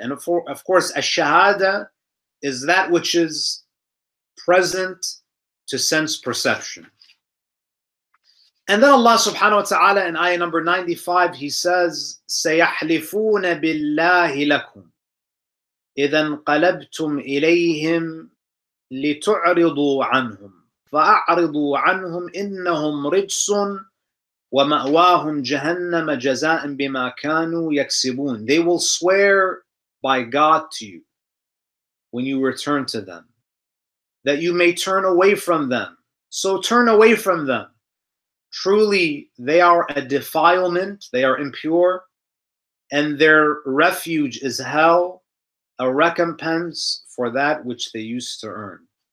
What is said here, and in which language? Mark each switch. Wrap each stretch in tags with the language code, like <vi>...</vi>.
<en>And of course, ash-shahada is that which is present to sense perception. And then Allah subhanahu wa ta'ala in ayah number 95, he says,</en> <ar>سَيَحْلِفُونَ بِاللَّهِ لَكُمْ. إذا انقلبتم إليهم لتعرضوا عنهم فأعرضوا عنهم إنهم رجس ومأواهم جهنم جزاء بما كانوا يكسبون.</ar> <en>They will swear by God to you when you return to them, that you may turn away from them. So turn away from them. Truly, they are a defilement, they are impure, and their refuge is hell, a recompense for that which they used to earn.</en>